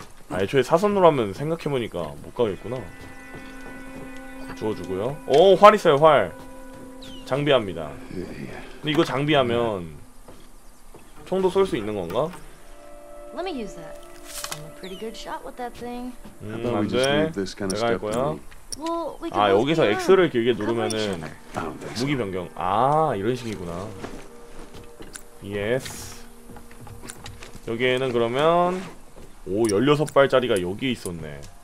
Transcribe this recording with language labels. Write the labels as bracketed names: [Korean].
[Korean] 아, 애초에 사선으로 하면 생각해보니까 못 가겠구나. 주워주고요. 오, 활 있어요, 활. 장비합니다. 근데 이거 장비하면 총도 쏠 수 있는 건가? [English] Let me use that. I'm a pretty good shot with that thing. [Korean] 안 돼. 내가 할 거야. [English] Well, [Korean] 아, 여기서 X를 길게 누르면은 무기 변경. 아, 이런 식이구나. [English] Yes. [Korean] 여기에는 그러면 오 16발짜리가 여기 있었네.